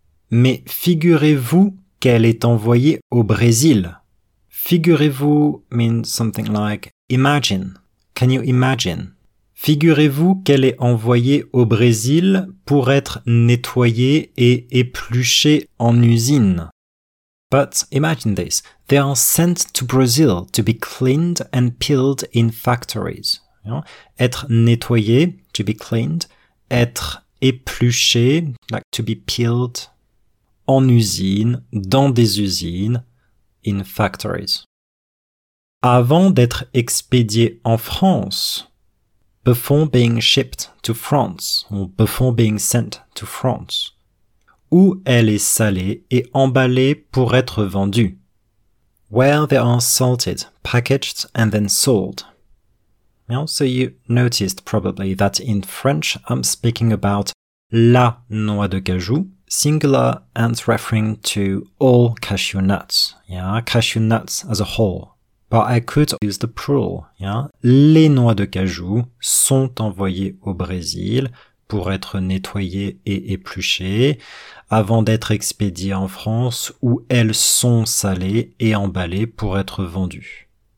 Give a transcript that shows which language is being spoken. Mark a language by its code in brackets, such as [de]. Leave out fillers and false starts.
[fr] Mais figurez-vous qu'elle est envoyée au Brésil. [en] Figurez-vous means something like imagine. Can you imagine? [fr] Figurez-vous qu'elle est envoyée au Brésil pour être nettoyée et épluchée en usine. [en] But imagine this. They are sent to Brazil to be cleaned and peeled in factories. [fr] Être nettoyé, [en] to be cleaned, [fr] être épluché, [en] like to be peeled, [fr] en usine, dans des usines, [en] in factories. [fr] Avant d'être expédié en France, [en] before being shipped to France, or before being sent to France, [fr] où elle est salée et emballée pour être vendue. [en] Where they are salted, packaged and then sold. So you noticed probably that in French, I'm speaking about la noix de cajou, singular and referring to all cashew nuts, yeah, cashew nuts as a whole. But I could use the plural, yeah. [fr] Les noix de cajou sont envoyées au Brésil pour être nettoyées et épluchées avant d'être expédiées en France où elles sont salées et emballées pour être vendues.